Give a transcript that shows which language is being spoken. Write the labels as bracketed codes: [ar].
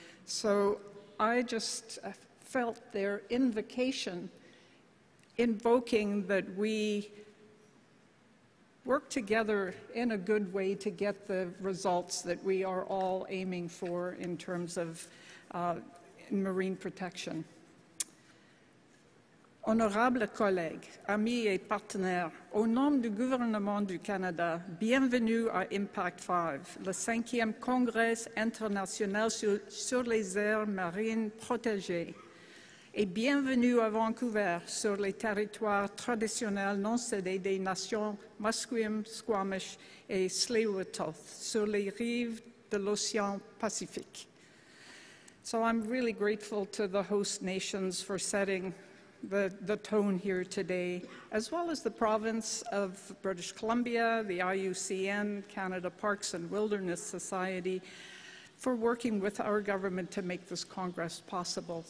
[en] So I just felt their invocation, invoking that we work together in a good way to get the results that we are all aiming for in terms of marine protection. [fr] Honorables collègues, amis et partenaires, au nom du gouvernement du Canada, bienvenue à IMPAC5, le 5e Congrès international sur les aires marines protégées. Et bienvenue à Vancouver, sur les territoires traditionnels non cédés des nations Musqueam, Squamish et Tsleil-Waututh, sur les rives de l'océan Pacifique. [en] So I'm really grateful to the host nations for setting the tone here today, as well as the province of British Columbia, the IUCN, Canada Parks and Wilderness Society, for working with our government to make this Congress possible.